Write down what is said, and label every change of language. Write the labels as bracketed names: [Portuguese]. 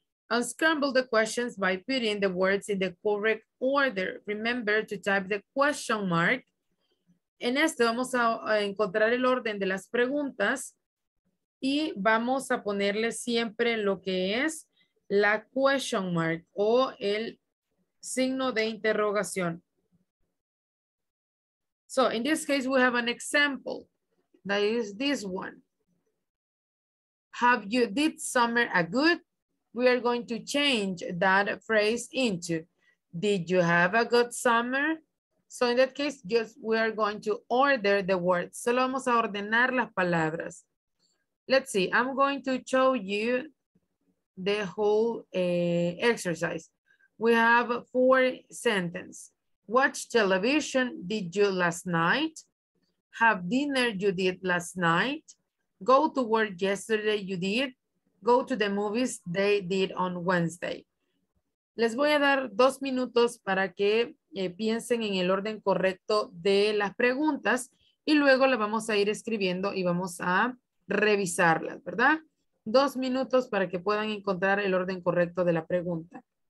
[English] Unscramble the questions by putting the words in the correct order. Remember to type the question mark. [Spanish] En este vamos a encontrar el orden de las preguntas y vamos a ponerle siempre lo que es la question mark o el signo de interrogación. [English] So, in this case, we have an example that is this one. Have you did summer a good? We are going to change that phrase into, did you have a good summer? So in that case, just we are going to order the words. [Spanish] Solo vamos a ordenar las palabras. [English] Let's see. I'm going to show you the whole exercise. We have four sentences. Watch television did you last night? Have dinner you did last night? Go to work yesterday you did? Go to the movies they did on Wednesday? [Spanish] Les voy a dar dos minutos para que piensen en el orden correcto de las preguntas y luego las vamos a ir escribiendo y vamos a revisarlas, ¿verdad? Dos minutos para que puedan encontrar el orden correcto de la pregunta.